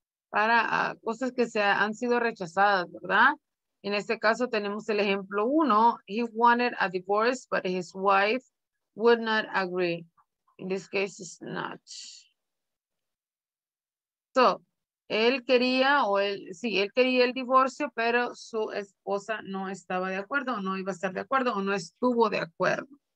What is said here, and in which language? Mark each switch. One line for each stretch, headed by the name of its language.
Spanish: Para cosas que se han sido rechazadas, ¿verdad? En este caso tenemos el ejemplo uno.
English: He wanted a divorce, but his wife would not agree. In this case, it's not.
Spanish: So, él quería el divorcio, pero su esposa no estaba de acuerdo, o no iba a estar de acuerdo, o no estuvo de acuerdo.